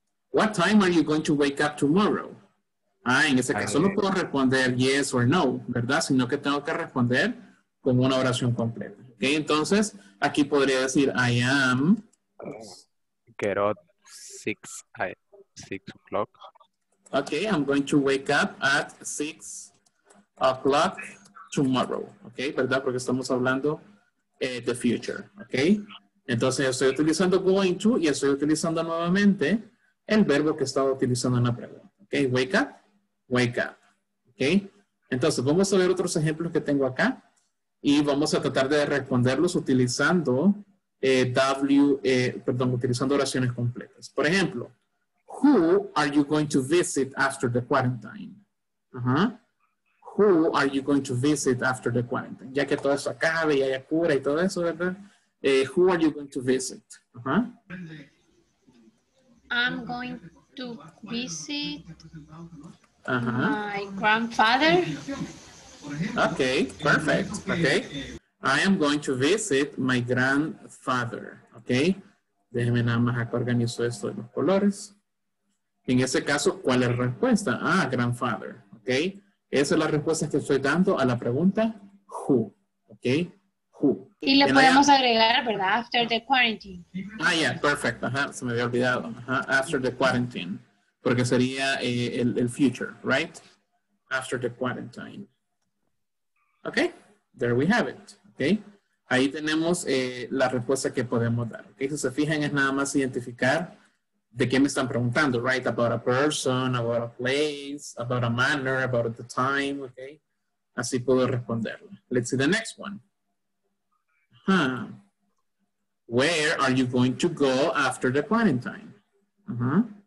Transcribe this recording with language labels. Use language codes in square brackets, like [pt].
[en] What time are you going to wake up tomorrow? [es] Ah, en ese caso no puedo responder [en] yes or no, [es] ¿verdad? Sino que tengo que responder con una oración completa. Okay. Entonces, aquí podría decir, [en] I am. Get up 6 o'clock. Okay, I'm going to wake up at 6 o'clock tomorrow. [es] Okay, ¿verdad? Porque estamos hablando [en] the future. [es] Okay, entonces estoy utilizando going to y estoy utilizando nuevamente el verbo que estaba utilizando en la pregunta. Okay, wake up, wake up. Okay, entonces vamos a ver otros ejemplos que tengo acá y vamos a tratar de responderlos utilizando utilizando oraciones completas. Por ejemplo, [en] who are you going to visit after the quarantine? Uh-huh. Who are you going to visit after the quarantine? [es] Ya que todo eso acabe y haya cura y todo eso, ¿verdad? [en] Who are you going to visit? Uh-huh. I'm going to visit my grandfather. Okay, perfect. Okay. I am going to visit my grandfather. Okay. [es] Déjeme nada más acá organizo esto de los colores. En ese caso, ¿cuál es la respuesta? Ah, grandfather, ¿ok? Esa es la respuesta que estoy dando a la pregunta, who, ¿ok? Who. Y le podemos agregar, ¿verdad? [en] After the quarantine. [es] Ah, yeah, perfecto. Ajá, se me había olvidado. Ajá, [en] after the quarantine. [es] Porque sería el [en] future, right? After the quarantine. ¿Ok? There we have it, ¿ok? [es] Ahí tenemos la respuesta que podemos dar, ¿ok? Si se fijan, es nada más identificar... ¿De qué me están preguntando, right? [en] About a person, about a place, about a manner, about the time, okay? [es] Así puedo responderle. [en] Let's see the next one. Huh. Where are you going to go after the quarantine? Uh-huh.